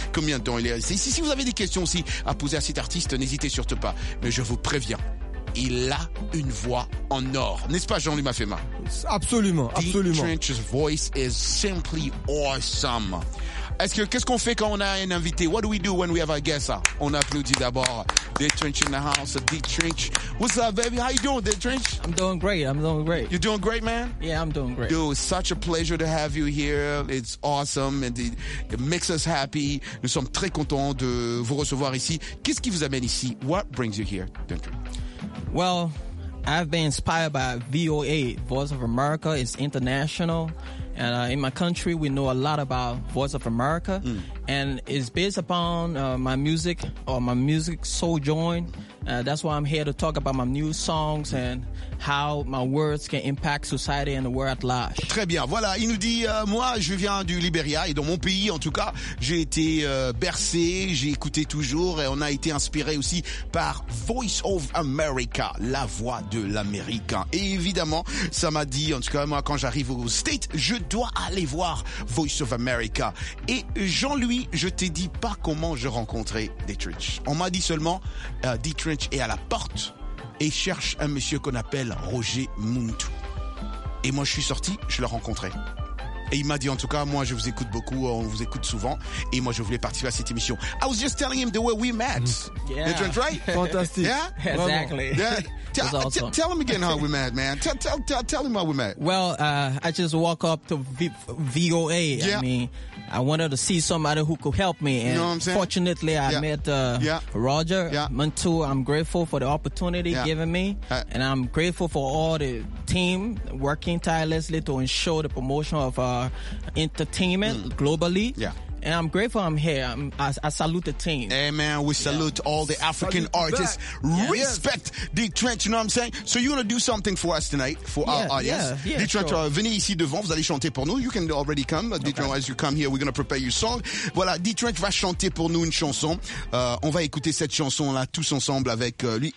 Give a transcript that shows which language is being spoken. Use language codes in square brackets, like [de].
[fr] Combien de temps il est ici? Si vous avez des questions aussi à poser à cet artiste, n'hésitez surtout pas. Mais je vous préviens, il a une voix en or. N'est-ce pas, Jean-Louis Mafema? Absolument, absolument. [en] Deep Trench's voice is simply awesome. [fr] Est-ce que, qu'est-ce qu'on fait quand on a un invité? [en] What do we do when we have a guest? [fr] On applaudit d'abord. [en] Deep Trench in the house, Deep Trench. What's up, baby? How you doing, Deep Trench? I'm doing great, I'm doing great. You're doing great, man? Yeah, I'm doing great. Dude, such a pleasure to have you here. It's awesome and it makes us happy. [fr] Nous sommes très contents de vous recevoir ici. Qu'est-ce qui vous amène ici? [en] What brings you here, [fr] Deep Trench? [en] Well, I've been inspired by VOA, Voice of America. It's international. And in my country, we know a lot about Voice of America. Mm. And it's based upon my music or my music soul joint. That's why I'm here to talk about my new songs and how my words can impact society and the world at large. [fr] Très bien. Voilà, il nous dit, moi, je viens du Liberia et dans mon pays, en tout cas, j'ai été bercé, j'ai écouté toujours et on a été inspiré aussi par Voice of America, la voix de l'Américain. Et évidemment, ça m'a dit, en tout cas, moi, quand j'arrive aux States, je dois aller voir Voice of America. Et Jean-Louis, je t'ai dit pas comment je rencontrais Dietrich. On m'a dit seulement, Dietrich est à la porte et cherche un monsieur qu'on appelle Roger Muntu. Et moi, je suis sorti, je l'ai rencontré. Et il m'a dit, en tout cas, moi, je vous écoute beaucoup, on vous écoute souvent. Et moi, je voulais participer à cette émission. [en] I was just telling him the way we met. Yeah. That's right? [fr] Fantastique. [en] Yeah? Exactly. Yeah. Tell him again how we met, man. Tell him how we met. Well, I just woke up to VOA. Yeah. I mean, I wanted to see somebody who could help me. And you know what I'm saying? Fortunately, I met Roger Muntu. I'm grateful for the opportunity given me. And I'm grateful for all the team working tirelessly to ensure the promotion of entertainment globally. Yeah. And I'm grateful I'm here. I salute the team. Hey, man, we salute all the African artists. Respect Deep Trench, you know what I'm saying? So you want to do something for us tonight, for our audience. Deep [fr] Trench, venez ici devant, vous allez chanter pour nous. [en] You can already come. Deep Trench, as you come here, we're going to prepare your song. [fr] Voilà, Deep Trench va chanter pour nous une chanson. On va écouter cette chanson-là tous ensemble avec lui.